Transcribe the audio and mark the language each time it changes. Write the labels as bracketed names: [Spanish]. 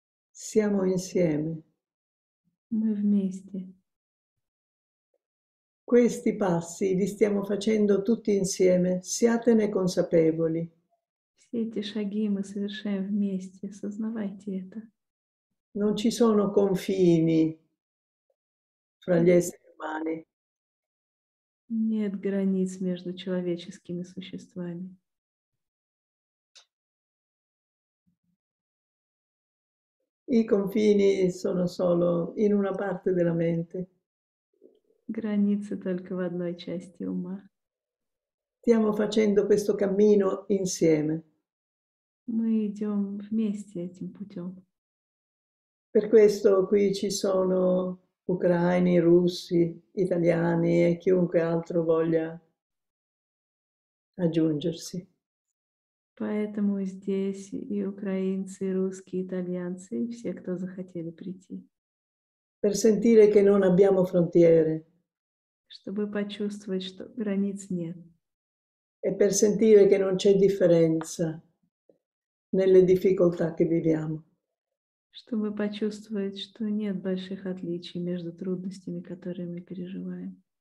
[Italian] Siamo insieme. [Russian] Мы вместе. [Italian] Questi passi li stiamo facendo tutti insieme, siatene consapevoli. [Russian] Эти шаги мы совершаем вместе, осознавайте это. [Italian] Non ci sono confini fra gli esseri umani. [Russian] Нет границ между человеческими существами. [Italian] I confini sono solo in una parte della mente. [Russian] Границы только в одной части ума. [Italian] Stiamo facendo questo cammino insieme. [Russian] Мы идем вместе этим путем. [Italian] Per questo qui ci sono ucraini, russi, italiani e chiunque altro voglia aggiungersi. [Russian] Поэтому здесь и украинцы, и русские, и итальянцы, и все, кто захотели прийти. [Italian] Sentire che non abbiamo frontiere. [Russian] Чтобы почувствовать, что границ нет. [Italian] E per sentire che non c'è differenza nelle difficoltà che viviamo. [Russian] Чтобы почувствовать, что нет больших отличий между трудностями, которые мы переживаем.